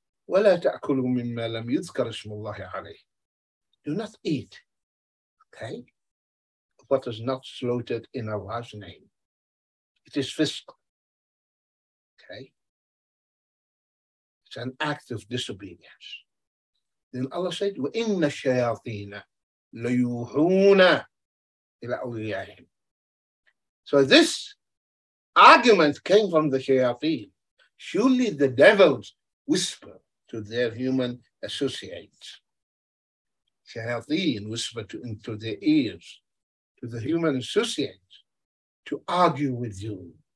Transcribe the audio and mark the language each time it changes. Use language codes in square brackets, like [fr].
[ar] وَلَا تَأْكُلُوا مِمَّا لَمْ يُذْكَرِ اسْمُ اللَّهِ عَلَيْهِ. [en] Do not eat, okay, what is not slaughtered in Allah's name. It is fisq, okay? It's an act of disobedience. Then Allah said, [ar] وَإِنَّ الشَّيَاطِينَ لَيُوحُونَ إِلَىٰ أَوْلِيَائِهِمْ. [en] So this argument came from the shayateen. surely the devils whisper to their human associates. Shayateen whisper into their ears, to the human associates, to argue with you.